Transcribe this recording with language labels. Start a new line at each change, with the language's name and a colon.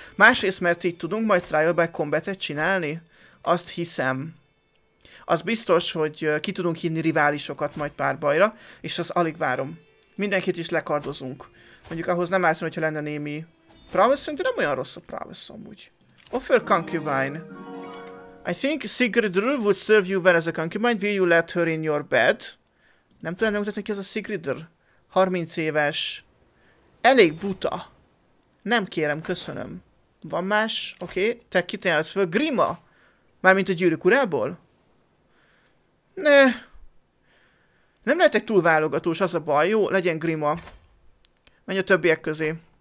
Hungarian: Másrészt, mert így tudunk majd Trial by Combat-et csinálni. Azt hiszem. Az biztos, hogy ki tudunk hinni riválisokat majd pár bajra, és az alig várom. Mindenkit is lekardozunk. Mondjuk ahhoz nem ártam, hogyha lenne némi Prowess-ünk, de nem olyan rossz a Prowess amúgy.
English: Offer concubine. I think Sigrid Rul would serve you well as a concubine. Will you let her in your bed?
Hungarian: Nem tudom megmutatni, ki az a Sigrid Rul. 30 éves. Elég buta. Nem kérem, köszönöm. Van más? Oké. Okay. Te kit ajánlasz föl? Grima? Mármint a gyűrűk urából? Ne. Nem lehetek túl válogatós, az a baj. Jó, legyen Grima. Menj a többiek közé.